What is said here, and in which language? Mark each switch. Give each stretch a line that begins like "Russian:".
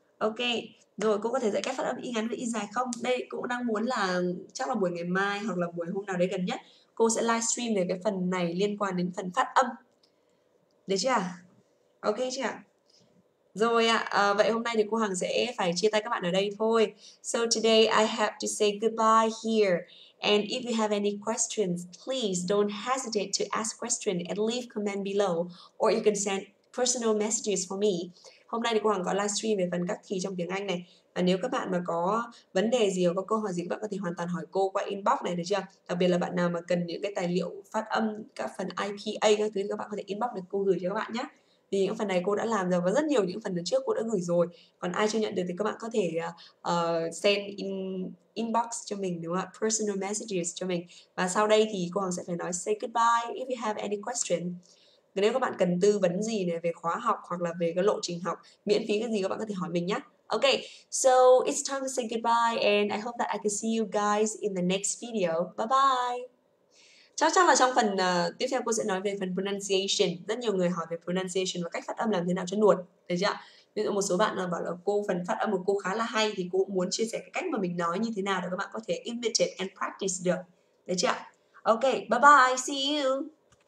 Vietnamese: Ok, rồi cô có thể dạy cách phát âm y ngắn với y dài không? Đây cô cũng đang muốn là chắc là buổi ngày mai hoặc là buổi hôm nào đấy gần nhất cô sẽ livestream về cái phần này liên quan đến phần phát âm. Được chưa? Ok chưa? Rồi ạ, à, vậy hôm nay thì cô Hằng sẽ phải chia tay các bạn ở đây thôi.
English: So today I have to say goodbye here. And if you have any questions, please don't hesitate to ask questions and leave comment below, or you can send personal messages for me.
Vietnamese: Hôm nay thì cô Hằng có livestream về phần các thì trong tiếng Anh này. Và nếu các bạn mà có vấn đề gì hoặc có câu hỏi gì, các bạn có thể hoàn toàn hỏi cô qua inbox này được chưa? Đặc biệt là bạn nào mà cần những cái tài liệu phát âm, các phần IPA, các thứ, thì các bạn có thể inbox được cô gửi cho các bạn nhé. Thì những phần này cô đã làm rồi và rất nhiều những phần trước cô đã gửi rồi. Còn ai chưa nhận được thì các bạn có thể send in inbox cho mình, đúng không ạ?
English: Personal messages
Vietnamese: cho mình. Và sau đây thì cô Hoàng sẽ phải nói
English: say goodbye if you have any question.
Vietnamese: Nếu các bạn cần tư vấn gì này về khóa học hoặc là về cái lộ trình học miễn phí cái gì các bạn có thể hỏi mình nhé.
English: Okay, so it's time to say goodbye and I hope that I can see you guys in the next video. Bye bye.
Vietnamese: Chắc chắn là trong phần tiếp theo cô sẽ nói về phần pronunciation. Rất nhiều người hỏi về pronunciation và cách phát âm làm thế nào cho nuột, thấy chưa? Ví dụ một số bạn bảo là cô phần phát âm của cô khá là hay thì cô muốn chia sẻ cái cách mà mình nói như thế nào để các bạn có thể
English: imitate and practice
Vietnamese: được, thấy chưa?
English: Okay, bye bye, see you.